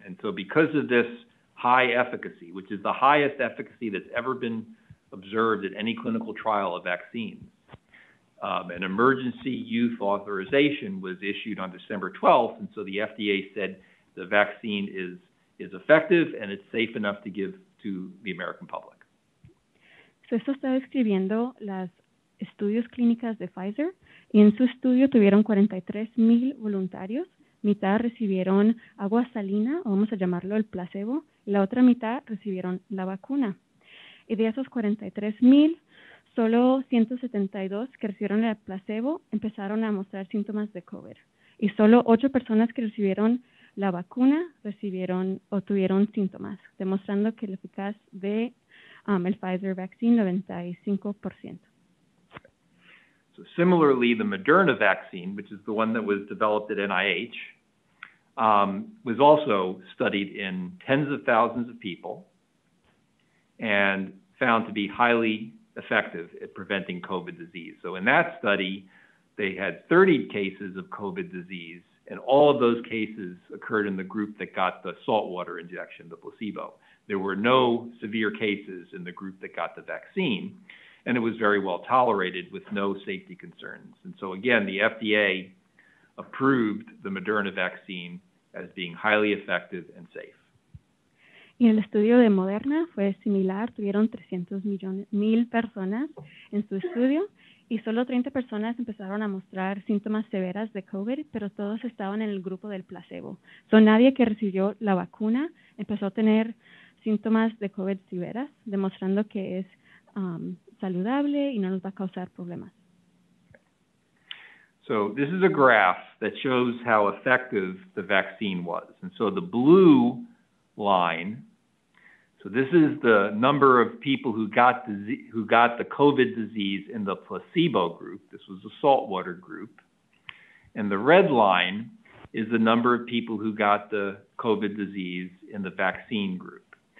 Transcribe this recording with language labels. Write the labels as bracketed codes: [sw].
[en] And so because of this high efficacy, which is the highest efficacy that's ever been observed in any clinical trial of vaccines, an emergency use authorization was issued on December 12th. And so the FDA said the vaccine is effective and it's safe enough to give to the American public. [es] So esto está describiendo las estudios clínicas de Pfizer. Y en su estudio tuvieron 43,000 voluntarios. Mitad recibieron agua salina, o vamos a llamarlo el placebo. La otra mitad recibieron la vacuna. Y de esos 43,000, solo 172 que recibieron el placebo empezaron a mostrar síntomas de COVID. Y solo 8 personas que recibieron la vacuna recibieron o tuvieron síntomas, demostrando que la eficaz de el [en] Pfizer vaccine [es] 95%. [en] So similarly, the Moderna vaccine, which is the one that was developed at NIH, was also studied in tens of thousands of people and found to be highly effective at preventing COVID disease. So in that study, they had 30 cases of COVID disease, and all of those cases occurred in the group that got the salt water injection, the placebo. There were no severe cases in the group that got the vaccine, and it was very well tolerated with no safety concerns. And so again, the FDA approved the Moderna vaccine as being highly effective and safe. [es] Y en el estudio de Moderna fue similar, tuvieron 300,000 personas en su estudio y solo 30 personas empezaron a mostrar síntomas severos de COVID, pero todos estaban en el grupo del placebo. So nadie que recibió la vacuna empezó a tener síntomas de COVID severas, demostrando que es saludable y no nos va a causar problemas. [en] So this is a graph that shows how effective the vaccine was. And so the blue line. So this is the number of people who got the COVID disease in the placebo group. This was the saltwater group. And the red line is the number of people who got the COVID disease in the vaccine group.